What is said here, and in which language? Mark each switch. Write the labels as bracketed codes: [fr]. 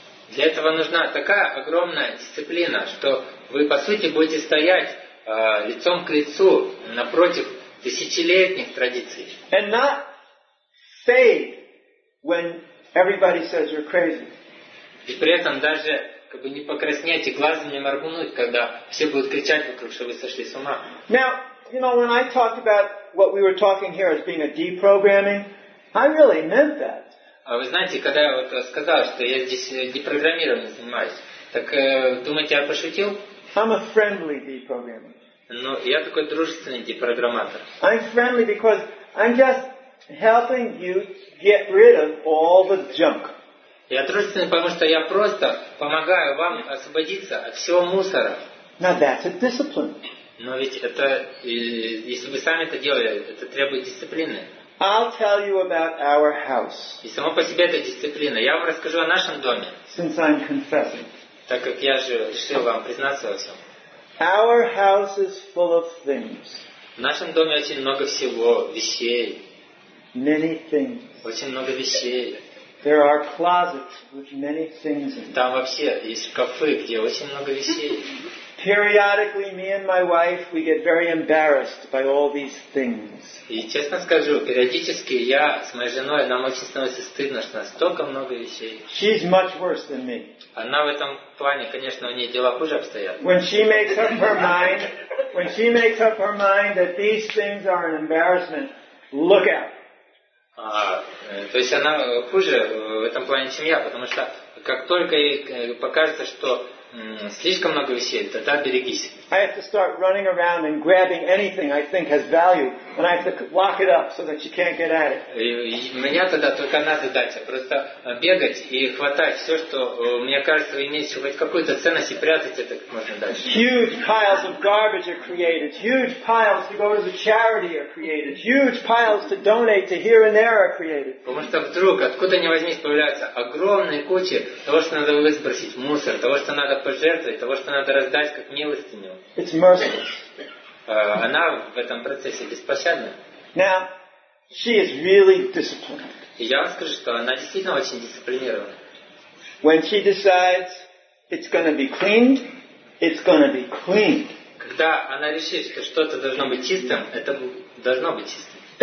[ru] Для этого нужна такая огромная дисциплина, что вы, по сути, будете стоять лицом к лицу напротив тысячелетних традиций. [en] And not fade when everybody says you're crazy. [ru] И при этом даже как бы не покраснеть и глазами не моргнуть, когда все будут кричать вокруг, что вы сошли с ума. [en] Now, you know, when I talked about what we were talking here as being a deprogramming, I really meant that. [ru] А вы знаете, когда я вот сказал, что я здесь депрограммированием занимаюсь, так думаете, я пошутил? [en] I'm a friendly deprogrammer. [ru] Ну, я такой дружественный депрограмматор. [en] I'm friendly because I'm just helping you get rid of all the junk. [ru] Я дружественный, потому что я просто помогаю вам освободиться от всего мусора. [en] Now that's a discipline. [ru] Но ведь это, если вы сами это делали, это требует дисциплины. [en] I'll tell you about our house. [ru] И само по себе это дисциплина. Я вам расскажу о нашем доме. [en] Since I'm confessing. [ru] Так как я же решил вам признаться во всем. [en] Our house is full of things. [ru] В нашем доме очень много всего, вещей. [en] Many things. [ru] Очень много вещей. [en] There are closets with many things in them. [ru] Там вообще есть шкафы, где очень много вещей. [en] periodically me and my wife we get very embarrassed by all these things. [ru] И честно скажу, периодически я с моей женой нам очень становится стыдно, что настолько много вещей. [en] She's much worse than me. [ru] Она в этом плане, конечно, у нее дела хуже обстоят. [en] When she makes up her mind that these things are an embarrassment, look out. [ru] То есть она хуже в этом плане, чем я, потому что как только ей покажется, что слишком много вещей, тогда берегись. [en] I have to start running around and grabbing anything I think has value, and I have to lock it up so that she can't get at it. [ru] Меня тогда только одна задача, просто бегать и хватать все, что мне кажется имеет хоть какую-то ценность, и прятать это как можно дальше. [en] Huge piles of garbage are created. Huge piles to go to the charity are created. Huge piles to donate to here and there are created. [ru] Потому что вдруг откуда ни возьмись появляются огромные кучи того, что надо выбросить, мусор, того, что надо пожертвовать, того, что надо раздать как милости. [en] It's merciless. [ru] Она в этом процессе беспощадна. [en] Now, she is really disciplined. [ru] Я вам скажу, что она действительно очень дисциплинирована. [en] When she decides it's going to be cleaned, it's going to be cleaned. [ru] Когда она решит, что что-то должно быть чистым, это должно быть чистым.